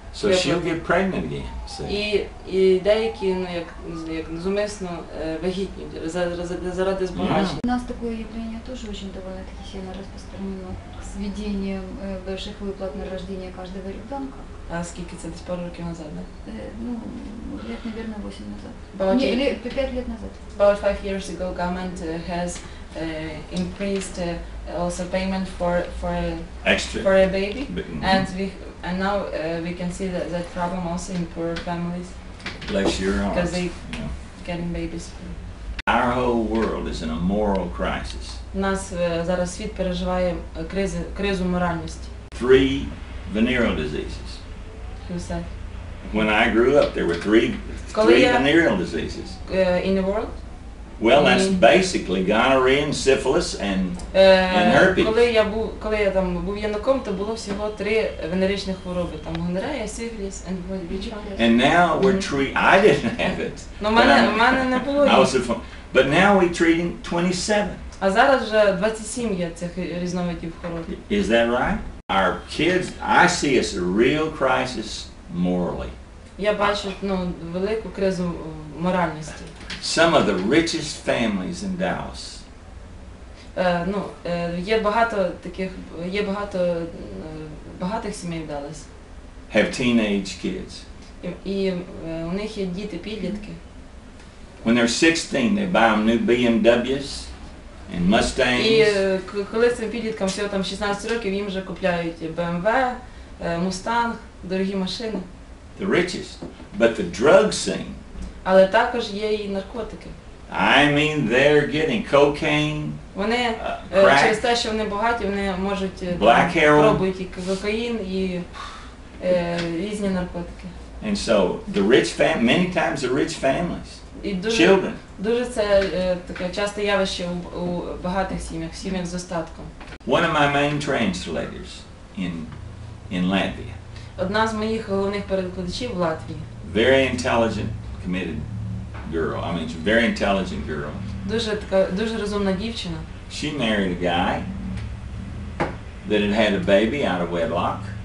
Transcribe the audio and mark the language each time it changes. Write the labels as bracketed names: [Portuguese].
[English] So she'll get pregnant again, see. [Ukrainian] І деякі, ну, як зумисно вагітні, заради збагачення. У нас такої явлення теж дуже доволі сильно розпространено з введенням перших виплат на рождення кожного ребенка. А скільки це? Десь пару років назад, да? [Russian] Ну, лет, наверное, 8 назад. Ні, или 5 лет назад. [English] About 5 years ago, government has increased also payment for a baby. And now we can see that problem also in poorer families. Bless your heart. Because they're, you know, getting babies free. Our whole world is in a moral crisis. [Ukrainian] У нас зараз світ переживає кризу моральності. [English] 3 venereal diseases. Who said? When I grew up, there were 3 venereal diseases. In the world? Well, that's basically gonorrhea and syphilis and herpes. [Ukrainian] Коли я там був юнаком, то було всього 3 венеричні хвороби. Там гонорея, сифіліс [English] and HIV. And now we're treating, I didn't have it. [Ukrainian] Ну, мене не було. [English] But now we're treating 27. [Ukrainian] А зараз вже 27 є цих різновидів хвороб. [English] Is that right? Our kids, I see it's a real crisis morally. [Ukrainian] Я бачу, ну, велику кризу моральності. [English] Some of the richest families in Dallas. [Ukrainian] Ну, є багато таких, є багато багатих сімей в Dallas. [English] Have teenage kids. [Ukrainian] І у них є діти-підлітки. [English] When they're 16, they buy them new BMWs and Mustangs. [Ukrainian] І коли цим підліткам всього там 16 років, їм вже купляють BMW, Mustang, дорогі машини. [English] The richest, but the drug scene. [Ukrainian] Але також є і наркотики. [English] I mean, they're getting cocaine. [Ukrainian] Вони [English] crack, [Ukrainian] через те, що вони багаті, вони можуть [English] black heroin, [Ukrainian] пробують і кокаїн, і різні наркотики. [English] And so the rich many times the rich families. Children. [Ukrainian] Дуже це таке часто явище у багатих сім'ях, в сім'ях з достатком. [English] One of my main translators in Latvia. [Ukrainian] Одна з моїх головних перекладачів в Латвії. [English] Very intelligent. Committed girl. I mean, she's a very intelligent girl. [Ukrainian] Дуже така, дуже розумна дівчина. [English] She married a guy that had a baby out of wedlock.